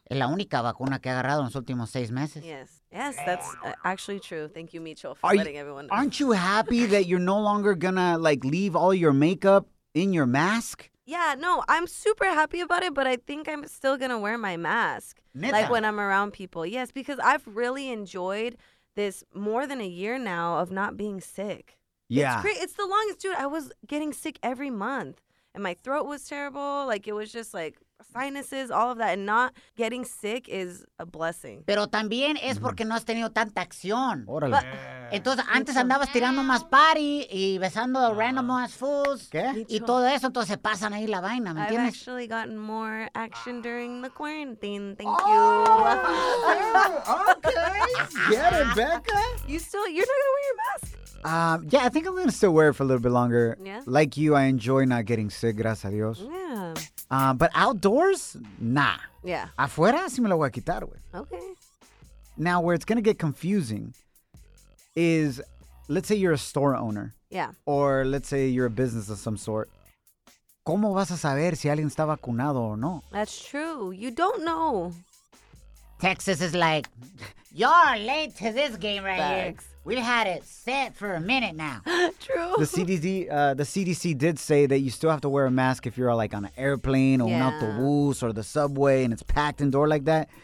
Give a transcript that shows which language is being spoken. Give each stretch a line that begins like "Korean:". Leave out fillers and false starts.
Spanish: Es la única vacuna que he agarrado en los últimos seis meses.
English: Yes. Yes, that's actually true. Thank you, Micho, for letting everyone know. Aren't you happy that you're no longer gonna, like, leave all your makeup in your mask? Yeah, no, I'm super happy about it, but I think I'm still gonna wear my mask.
Spanish: Neta.
English: Like, when I'm around people. Yes, because I've really enjoyed this more than a year now of not being sick. Yeah, it's the longest, dude. I was getting sick every month, and my throat was terrible. Like, it was just like sinuses, all of that. And not getting sick is a blessing.
Spanish: Pero también es porque no has tenido tanta acción. Órale. But, entonces antes andabas tirando más party y besando
English: random ass fools.
Spanish: ¿Qué? Y todo eso, entonces se pasan ahí la vaina, ¿me entiendes?
English: I've actually gotten more action during the quarantine. Thank you. Okay. Get it, Becca. You're not gonna wear your mask. Yeah, I think I'm going to still wear it for a little bit longer. Yeah. Like you, I enjoy not getting sick,
Spanish: gracias a Dios.
English: Yeah. But outdoors, nah. Yeah.
Spanish: Afuera, sí me lo voy a quitar, güey.
English: Okay. Now, where it's going to get confusing is, let's say you're a store owner. Yeah. Or let's say you're a business of some sort.
Spanish: ¿Cómo vas a saber si alguien está vacunado o no?
English: That's true. You don't know. Texas is like, you're late to this game right Thanks. Here. We've had it set for a minute now. True. The CDC did say that you still have to wear a mask if you're like on an airplane or an autobus or the subway and it's packed indoor like that.